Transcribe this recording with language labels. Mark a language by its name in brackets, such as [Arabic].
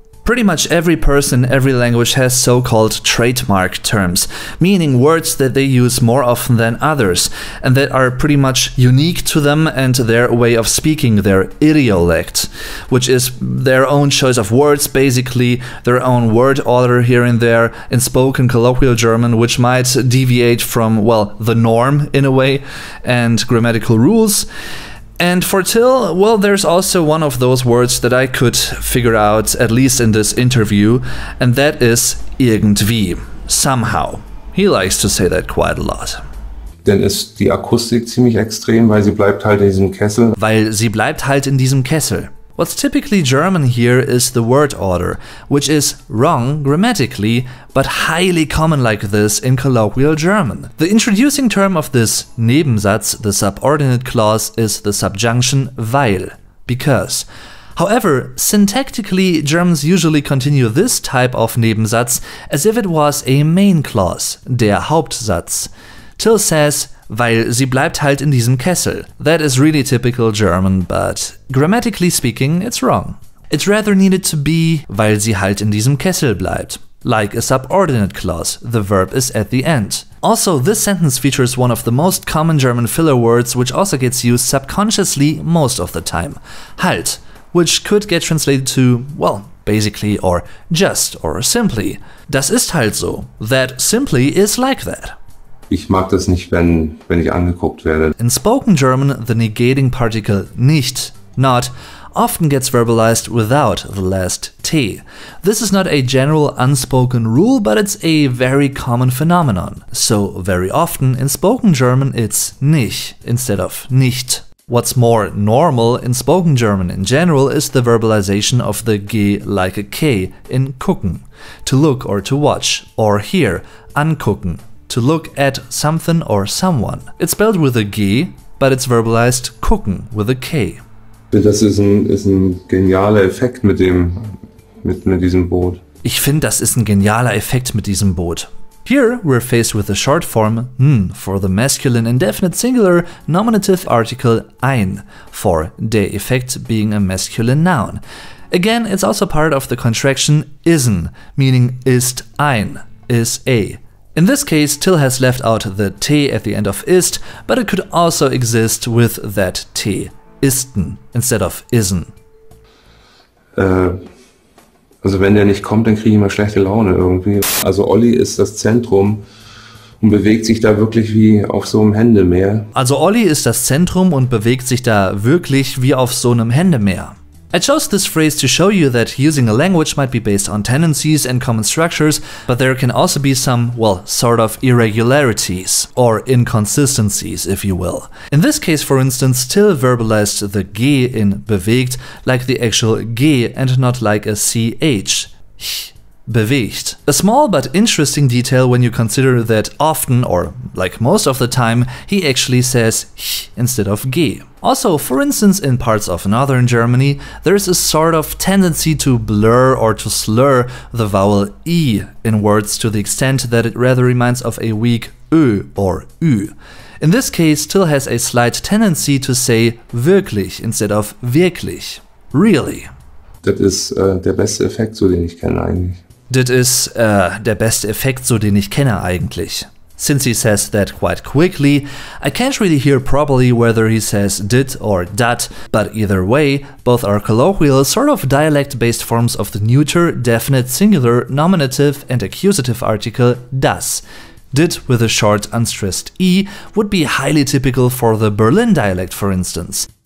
[English] Pretty much every person in every language has so-called trademark terms, meaning words that they use more often than others, and that are pretty much unique to them and their way of speaking, their idiolect, which is their own choice of words, basically their own word order here and there in spoken colloquial German, which might deviate from, well, the norm in a way, and grammatical rules. And for till, well, there's also one of those words that I could figure out, at least in this interview, and that is irgendwie, somehow. He likes to say that quite a lot. [German] Denn ist die Akustik ziemlich extrem, weil sie bleibt halt in diesem Kessel. Weil sie bleibt halt in diesem Kessel. [English] What's typically German here is the word order, which is wrong grammatically, but highly common like this in colloquial German. The introducing term of this Nebensatz, the subordinate clause, is the subjunction weil, because. However, syntactically, Germans usually continue this type of Nebensatz as if it was a main clause, der Hauptsatz. Till says, [German] weil sie bleibt halt in diesem Kessel. [English] That is really typical German, but grammatically speaking, it's wrong. It rather needed to be, [German] weil sie halt in diesem Kessel bleibt. [English] Like a subordinate clause, the verb is at the end. Also, this sentence features one of the most common German filler words, which also gets used subconsciously most of the time. Halt, which could get translated to, well, basically, or just, or simply. [German] Das ist halt so. [English] That simply is like that. [German] Ich mag das nicht, wenn ich angeguckt werde. [English] In spoken German, the negating particle nicht, not, often gets verbalized without the last T. This is not a general unspoken rule, but it's a very common phenomenon. So, very often, in spoken German, it's nicht instead of nicht. What's more normal in spoken German in general is the verbalization of the G like a K in gucken, to look or to watch, or hear, angucken. To look at something or someone. It's spelled with a G, but it's verbalized gucken with a K. [German] Das ist ein genialer Effekt mit diesem Boot. Ich finde, das ist ein genialer Effekt mit diesem Boot. [English] Here we're faced with the short form n for the masculine indefinite singular nominative article ein, for der Effekt being a masculine noun. Again, it's also part of the contraction isen, meaning ist ein, is a. In this case, Till has left out the T at the end of ist, but it could also exist with that T, isten, instead of isen. [German] Also wenn der nicht kommt, dann kriege ich immer schlechte Laune irgendwie. Also Olli ist das Zentrum und bewegt sich da wirklich wie auf so einem Händemeer. Also Olli ist das Zentrum und bewegt sich da wirklich wie auf so einem Händemeer. [English] I chose this phrase to show you that using a language might be based on tendencies and common structures, but there can also be some, well, sort of irregularities, or inconsistencies, if you will. In this case, for instance, Till verbalized the G in bewegt like the actual G and not like a CH. Bewegt. A small but interesting detail when you consider that often, or like most of the time, he actually says ch instead of g. Also, for instance, in parts of northern Germany, there's a sort of tendency to blur or to slur the vowel e in words to the extent that it rather reminds of a weak ö or ü. In this case, Till has a slight tendency to say wirklich instead of wirklich. Really. [German] That is der beste Effekt, so den ich kenne eigentlich. Das ist der beste Effekt, so den ich kenne eigentlich. [English] Since he says that quite quickly, I can't really hear properly whether he says dit or dat, but either way, both are colloquial, sort of dialect-based forms of the neuter, definite, singular, nominative and accusative article das. Dit with a short unstressed e would be highly typical for the Berlin dialect, for instance.